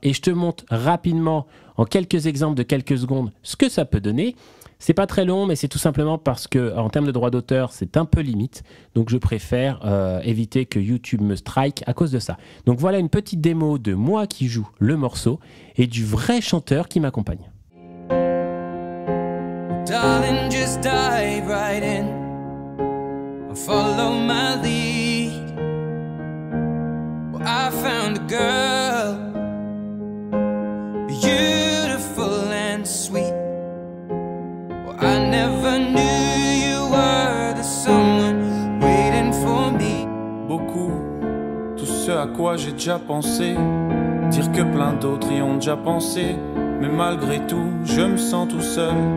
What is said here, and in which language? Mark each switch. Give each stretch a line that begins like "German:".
French: Et je te montre rapidement, en quelques exemples de quelques secondes, ce que ça peut donner. C'est pas très long, mais c'est tout simplement parce que, en termes de droit d'auteur, c'est un peu limite. Donc, je préfère éviter que YouTube me strike à cause de ça. Donc, voilà une petite démo de moi qui joue le morceau et du vrai chanteur qui m'accompagne.
English: Darling, just dive right in and follow my lead. Well, I found a girl, beautiful and sweet. Well, I never knew you were the someone waiting for me.
French: Beaucoup, tout ce à quoi j'ai déjà pensé, dire que plein d'autres y ont déjà pensé, mais malgré tout, je me sens tout seul.